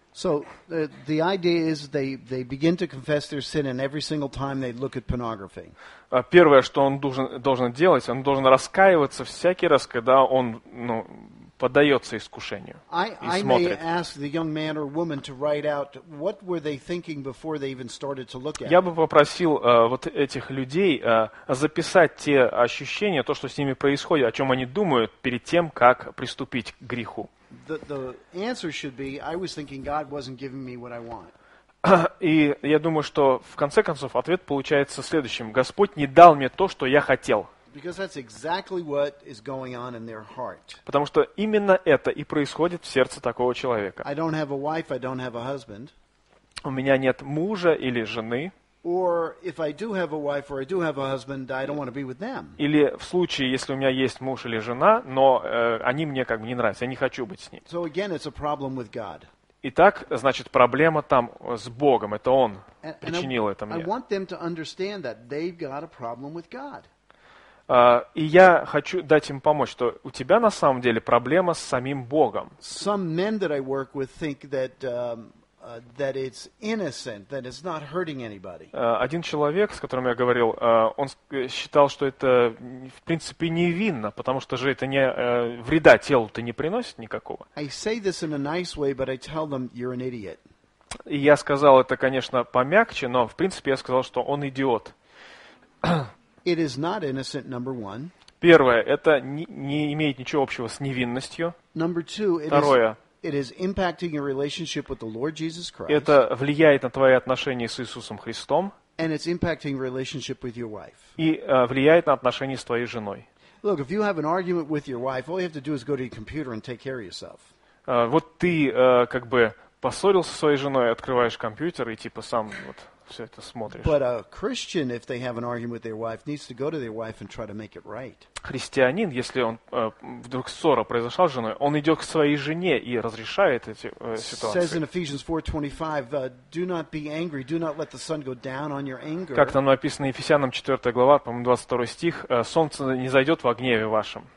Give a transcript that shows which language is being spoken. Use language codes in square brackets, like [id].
[en] So the idea is they begin to confess their sin and every single time they look at pornography. [ru] Первое, что он должен делать, он должен раскаиваться всякий раз, когда он, ну, поддается искушению и смотрит. [en] I ask the young man or woman to write out what were they thinking before they even started to look at. [ru] Я бы попросил вот этих людей записать те ощущения, то, что с ними происходит, о чем они думают перед тем, как приступить к греху. [en] The answer should be, I was thinking God wasn't giving me what I want. [ru] И я думаю, что в конце концов ответ получается следующим: Господь не дал мне то, что я хотел. [en] Because that's exactly what is going on in their heart. [ru] Потому что именно это и происходит в сердце такого человека. [en] I don't have a wife, I don't have a husband. [ru] У меня нет мужа или жены. [en] Or if I do have a wife or I do have a husband, I don't want to be with them. [ru] Или в случае, если у меня есть муж или жена, но они мне как бы не нравятся, я не хочу быть с ним. [en] So again, it's a problem with God. [ru] Итак, значит, проблема там с Богом, это он причинил это мне. [en] I want them to understand that they've got a problem with God. [ru] И я хочу дать им помочь, что у тебя на самом деле проблема с самим Богом. [en] Some men that I work with think that that it's innocent, that it's not hurting anybody. [ru] Один человек, с которым я говорил, он считал, что это в принципе невинно, потому что же это не вреда телу-то не приносит никакого. [en] I say this in a nice way, but I tell them you're an idiot. [ru] И я сказал это, конечно, помягче, но в принципе я сказал, что он идиот. [en] It is not innocent, number one. [ru] Первое, это не имеет ничего общего с невинностью. [en] Number two, [ru] второе. [en] It is impacting your relationship with the Lord Jesus Christ. [ru] Это влияет на твои отношения с Иисусом Христом. [en] And it's impacting relationship with your wife. [ru] И влияет на отношения с твоей женой. [en] Look, if you have an argument with your wife, all you have to do is go to your computer and take care of yourself. [ru] Вот ты как бы поссорился со своей женой, открываешь компьютер и типа сам вот все это смотришь. [en] But a Christian, if they have an argument with their wife, needs to go to their wife and try to make it right. [ru] Христианин, если он вдруг ссора произошла с женой, он идет к своей жене и разрешает эти ситуации. [en] Says in Ephesians 4:25, do not be angry, do not let the sun go down on your anger. [ru] Как там написано в Ефесянам 4 глава, по-моему, 22 стих, солнце не зайдет во гневе вашем.